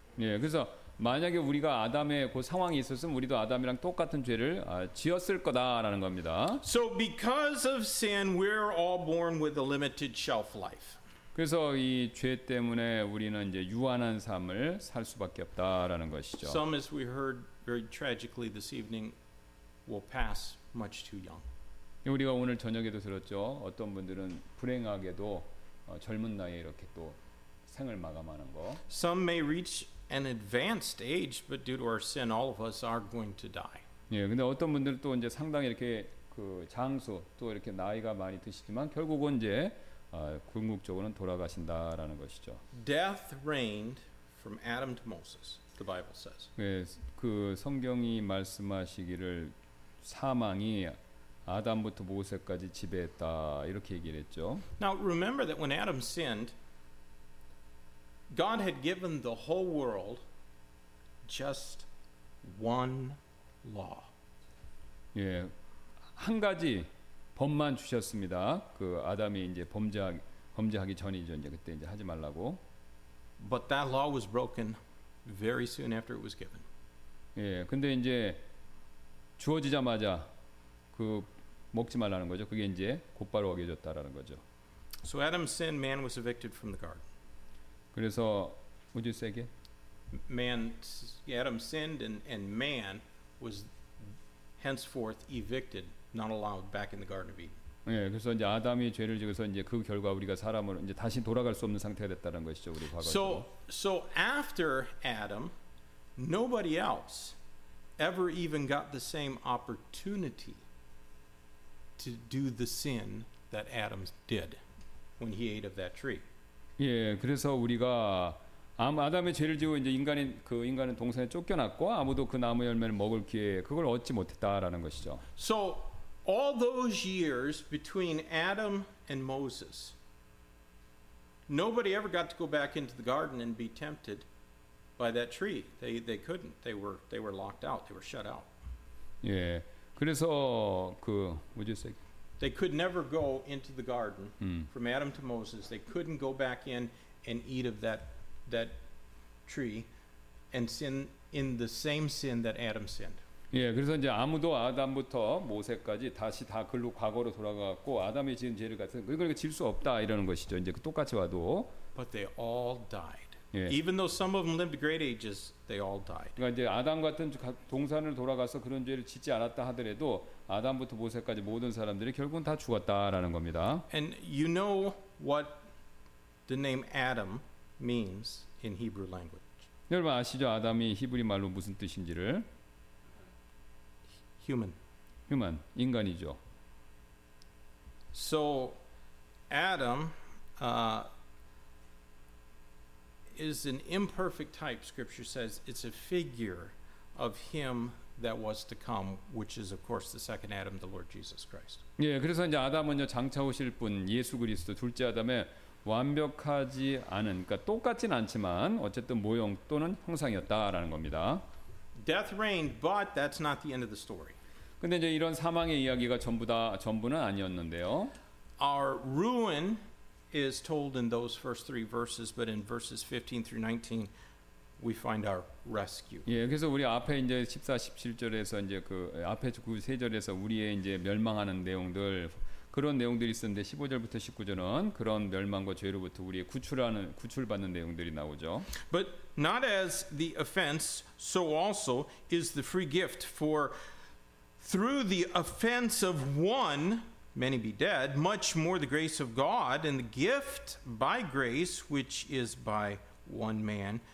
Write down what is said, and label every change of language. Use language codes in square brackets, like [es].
[ko] 예, 그래서 만약에 우리가 아담의 그 상황이 있었으면 우리도 아담이랑 똑같은 죄를 지었을 거다라는 겁니다. [en] So because of sin, we're all born with a limited shelf life. [ko] 그래서 이 죄 때문에 우리는 이제 유한한 삶을 살 수밖에 없다라는 것이죠. [en] Some, as we heard very tragically this evening, will pass much too young. [ko] 우리가 오늘 저녁에도 들었죠. 어떤 분들은 불행하게도 젊은 나이에 이렇게 또 생을 마감하는 거. [en] Some may reach an advanced age, but due to our sin, all of us are going to die. [ko] 예, 근데 어떤 분들은 또 이제 상당히 이렇게 그 장수 또 이렇게 나이가 많이 드시지만 결국은 이제 궁극적으로는 돌아가신다라는 것이죠. [en] Death reigned from Adam to Moses, the Bible says. [ko] 예, 그 성경이 말씀하시기를 사망이 아담부터 모세까지 지배했다 이렇게 얘기를 했죠. [en] Now remember that when Adam sinned, God had given the whole world just one law. [ko] 예, 한 가지 법만 주셨습니다. 그 아담이 이제 범죄하기 전이죠. 이제 그때 이제 하지 말라고. [en] But that law was broken very soon after it was given. [ko] 예, 근데 이제 주어지자마자 그 먹지 말라는 거죠. 그게 이제 곧바로 어겨졌다라는 거죠. [en] So Adam's sin, man was evicted from the garden. [ko] 그래서 [en] would you say again? Man, Adam sinned and man was henceforth evicted, not allowed back in the Garden of Eden. [ko] 예, 그래서 이제 아담이 죄를 지어서 이제 그 결과 우리가 사람으로 이제 다시 돌아갈 수 없는 상태가 됐다는 것이죠, 우리 과거. [en] So after Adam, nobody else ever even got the same opportunity to do the sin that Adam did when he ate of that tree. [ko] 예, 그래서 우리가 아담의 죄를 지고 이제 인간은 동산에 쫓겨났고 아무도 그 나무 열매를 먹을 기회 그걸 얻지 못했다라는 것이죠. [en] So all those years between Adam and Moses, nobody ever got to go back into the garden and be tempted by that tree. They couldn't. They were locked out. They were shut out. [ko] 예, 그래서 그 뭐지 쓰 [en] They could never go into the garden from Adam to Moses. They couldn't go back in and eat of that tree and sin in the same sin that Adam sinned. [ko] 예, 그래서 이제 아무도 아담부터 모세까지 다시 다 글로 과거로 돌아가고 아담이 지은 죄를 같은 그걸 질 수 없다 이러는 것이죠. 이제 똑같이 와도. [en] But they all died. 예. Even though some of them lived great ages, they all died. [ko] 그러니까 이제 아담 같은 동산을 돌아가서 그런 죄를 짓지 않았다 하더라도 아담부터 모세까지 모든 사람들이 결국은 다 죽었다라는 겁니다. [en] And you know what the name Adam means in Hebrew language? [ko] 여러분 아시죠? 아담이 히브리 말로 무슨 뜻인지를? [en] Human. [ko] Human, 인간이죠. [en] So Adam is an imperfect type. Scripture says it's a figure of him that was to come, which is of course the second Adam, the Lord Jesus Christ. [ko] 예, 그래서 이제 아담은요 장차 오실 분 예수 그리스도 둘째 아담의 완벽하지 않은, 그러니까 똑같진 않지만 어쨌든 모형 또는 형상이었다라는 겁니다. [en] Death reigned, but that's not the end of the story. [ko] 근데 이제 이런 사망의 이야기가 전부는 아니었는데요. [en] Our ruin is told in those first three verses, but in verses 15 through 19. We find our rescue. [ko] 예, 그래서 우리 앞에 이제 14, 17절에서 이제 그 앞에 그 세 절에서 우리의 이제 멸망하는 내용들 그런 내용들이 있었는데 15절부터 19절은 그런 멸망과 죄로부터 우리의 구출받는 내용들이 나오죠. [en] But not as the offense, so also is the free gift. For through the offense of one, many be dead. Much more the grace of God and the gift by grace, which is by one man.